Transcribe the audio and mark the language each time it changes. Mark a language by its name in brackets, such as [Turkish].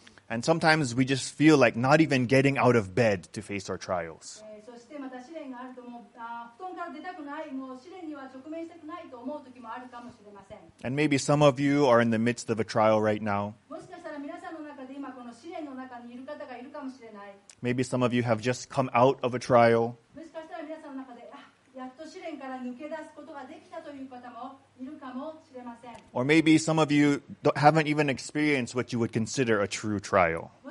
[English] And sometimes we just feel like not even getting out of bed to face our trials. [Japanese] てまた試練があると思う、布団から出たくない、もう試練には直面したくないと思う時もあるかもしれません。 [English] And maybe some of you are in the midst of a trial right now. [Japanese] もしかしたら皆さんの中で今この試練の中にいる方がいるかもしれない。 [English] Maybe some of you have just come out of a trial. [Japanese] もしかしたら皆さんの中で、やっと試練から抜け出すことができたという方もいるかもしれません。 [English] Or maybe some of you haven't even experienced what you would consider a true trial.